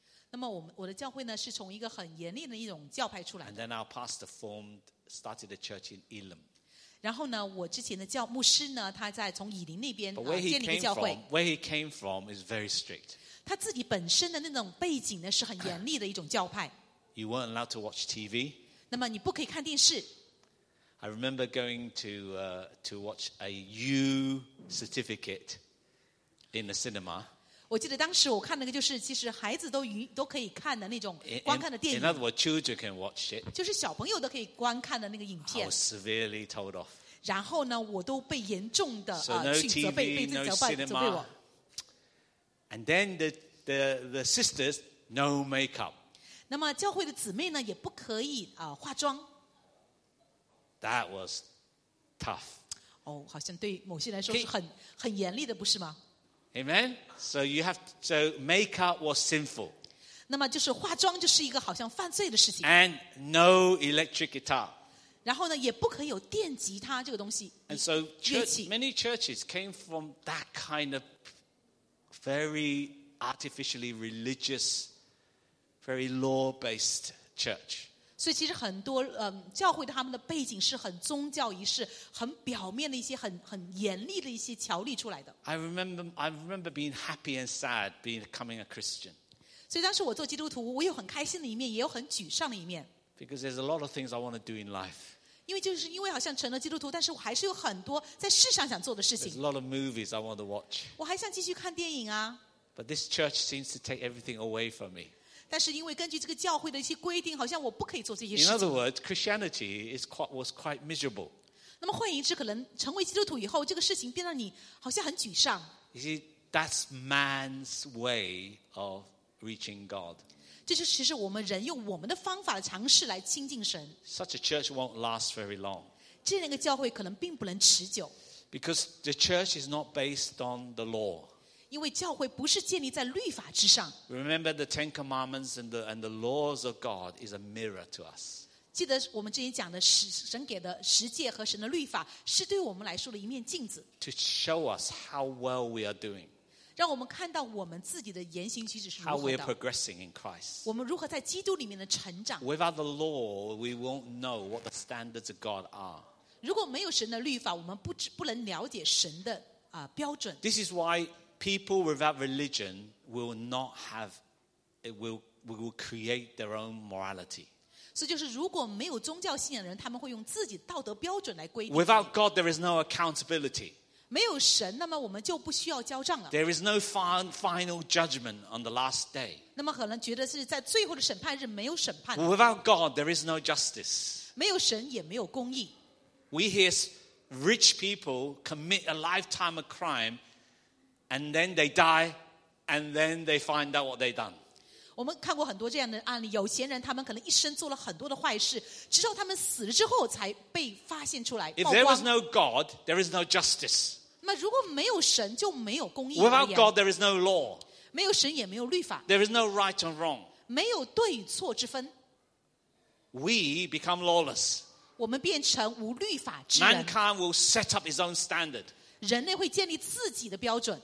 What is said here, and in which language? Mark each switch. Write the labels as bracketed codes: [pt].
[zh] 那么我的教会呢是从一个很严厉的一种教派出来的。 [en] And then our pastor started a church in Elim. [zh] 然后呢我之前的牧师呢他在从以林那边建立一个教会。 [en] Where he came from is very strict. [zh] 他自己本身的那种背景呢是很严厉的一种教派。 [en] You weren't allowed to watch TV. [zh] 那么你不可以看电视。 [en] I remember going to watch a U certificate in the cinema. [zh] 我记得当时我看那个就是其实孩子 都可以看的那种观看的电影。 [en] In other words, children can watch it. [zh] 就是小朋友都可以观看的那个影片。 [en] I was severely told off. [zh] 然后呢我都被严重的 [en] So no TV, no cinema. And then the sisters, no makeup. [zh] 那么教会的姊妹呢也不可以化妆。 [en] That was tough. [zh] 哦，好像对某些来说是很严厉的，不是吗？ [en] Amen. So you have to, so makeup was sinful. [zh] 那么就是化妆就是一个好像犯罪的事情。 [en] And no electric guitar. [zh] 然后呢，也不可以有电吉他这个东西。 [en] And so church, many churches came from that kind of very artificially religious, very law-based church. [zh] 所以其实很多教会的他们的背景是很宗教仪式，很表面的一些很严厉的一些条例出来的。 [en] I remember being happy and sad being becoming a Christian. [zh] 所以当时我做基督徒，我有很开心的一面，也有很沮丧的一面。 [en] Because there's a lot of things I want to do in life. [zh] 因为就是因为好像成了基督徒，但是我还是有很多在世上想做的事情。 [en] There's a lot of movies I want to watch. [zh] 我还想继续看电影啊。 [en] But this church seems to take everything away from me. [zh] 但是因为根据这个教会的一些规定，好像我不可以做这些事 [en] 情。In other words, Christianity was quite miserable. [zh] 那么换言之，可能成为基督徒以后，这个事情变得你好像很沮丧。 [en] You see, that's man's way of reaching God. [zh] 这就是其实我们人用我们的方法的尝试来亲近神。 [en] Such a church won't last very long. [zh] 这样一个教会可能并不能持久。 [en] Because the church is not based on the law. [zh] 因为教会不是建立在律法之上。 [en] Remember the Ten Commandments and the laws of God is a mirror to us. [zh] 记得我们之前讲的神给的十诫和神的律法是对我们来说的一面镜子。 [en] To show us how well we are doing. [zh] 让我们看到我们自己的言行举止是如何的。 [en] How we are progressing in Christ. [zh] 我们如何在基督里面的成长。 [en] Without the law, we won't know what the standards of God are. [zh] 如果没有神的律法，我们不能了解神的标准。 [en] This is why. People without religion will not have, will create their own morality. [zh] So, 就是如果没有宗教信仰的人，他们会用自己道德标准来规定。 [en] Without God, there is no accountability. [zh] 没有神，那么我们就不需要交账了。 [en] There is no final judgment on the last day. [zh] 那么可能觉得是在最后的审判日没有审判。 [en] Without God, there is no justice. [zh] 没有神也没有公义。 [en] We hear rich people commit a lifetime of crime. And then they die, and then they find out what they've done. [zh] 我们看过很多这样的案例，有钱人他们可能一生做了很多的坏事，直到他们死了之后才被发现出来。 [en] If there was no God, there is no justice. [zh] 那如果没有神，就没有公义。 [en] Without God, there is no law. [zh] 没有神也没有律法。 [en] There is no right and wrong. [zh] 没有对与错之分。 [en] we become lawless. [zh] 我们变成无律法之 [en] 人。Mankind will set up his own standard. [zh] 人类会建立自己的标准。